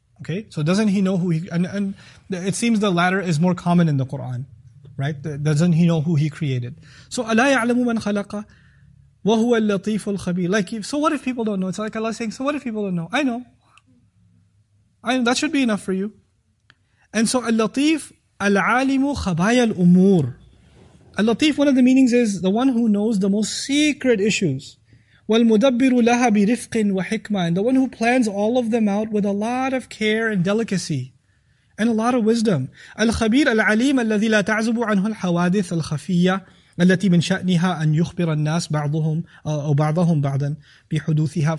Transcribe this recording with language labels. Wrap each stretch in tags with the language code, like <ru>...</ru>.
<en>Okay, so doesn't he know who he... And it seems the latter is more common in the Qur'an. Right? Doesn't he know who he created? So,</en> <ar>أَلَا يَعْلَمُ مَنْ خَلَقَ وَهُوَ اللَّطِيفُ الْخَبِيرُ.</ar> <en>Like, so what if people don't know? It's like Allah saying, so what if people don't know? I know. That should be enough for you. And so,</en> <ar>اللَّطِيفُ الْعَالِمُ خَبَايَ الْأُمُورِ.</ar> <en>اللَّطِيفُ, one of the meanings is the one who knows the most secret issues.</en> <ar>وَالْمُدَبِّرُ لَهَا بِرِفْقٍ وَحِكْمَةٍ.</ar> <en>The one who plans all of them out with a lot of care and delicacy and a lot of wisdom.</en> <ar>الْخَبِيرُ الْعَلِيمُ الَّذِي لَا تَعْزُبُ عَنْهُ الْحَوَادِثُ الْخَفِيَّةُ الَّتِي مِنْ شَأْنِهَا أَنْ يُخْبِرَ النَّاسَ بَعْضُهُمْ أَوْ بَعْضَهُمْ بَعْضًا بِحُدُوثِهَا.</ar>